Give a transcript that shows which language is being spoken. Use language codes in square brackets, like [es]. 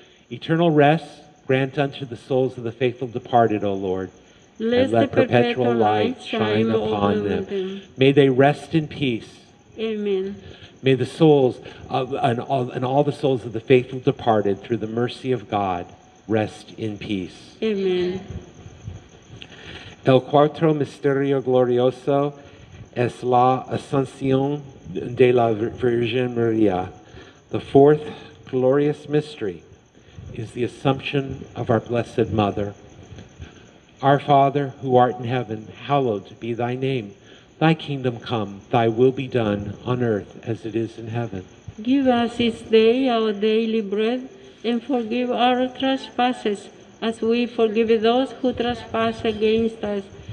[en] Eternal rest grant unto the souls of the faithful departed, O Lord, and let perpetual light shine upon them. May they rest in peace. Amen. May the souls and all the souls of the faithful departed, through the mercy of God, rest in peace. Amen. [es] El cuarto misterio glorioso es la Asunción de la Virgen María. [en] The fourth glorious mystery is the Assumption of our Blessed Mother. Our Father, who art in heaven, hallowed be thy name. Thy kingdom come, thy will be done, on earth as it is in heaven. Give us this day our daily bread, and forgive our trespasses, as we forgive those who trespass against us.